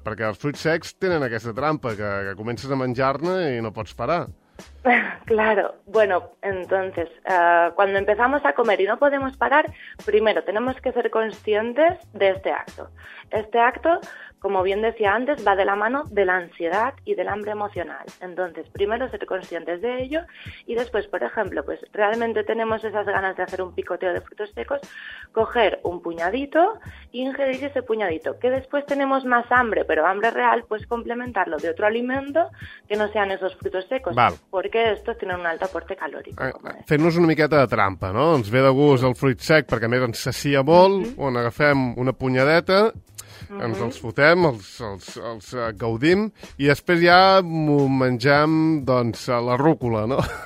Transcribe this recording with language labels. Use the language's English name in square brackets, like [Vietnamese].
[Catalan] Perquè els fruits secs tenen aquesta trampa, que comences a menjar-ne i no pots parar. [Spanish] Claro, bueno, entonces, cuando empezamos a comer y no podemos parar, primero tenemos que ser conscientes de este acto. Este acto, como bien decía antes, va de la mano de la ansiedad y del hambre emocional. Entonces, primero ser conscientes de ello y después, por ejemplo, pues realmente tenemos esas ganas de hacer un picoteo de frutos secos, coger un puñadito e ingerir ese puñadito. Que después tenemos más hambre, pero hambre real, pues complementarlo de otro alimento que no sean esos frutos secos. [Catalan] Val. Perquè estos tenen un alt aporte calòric. Fent-nos una miqueta de trampa, no? Ens ve de gust el fruit sec, perquè a més ens sacia molt, on mm-hmm. agafem una punyadeta, mm-hmm. ens els fotem, els gaudim, i després ja m'ho mengem, doncs, la rúcula, no?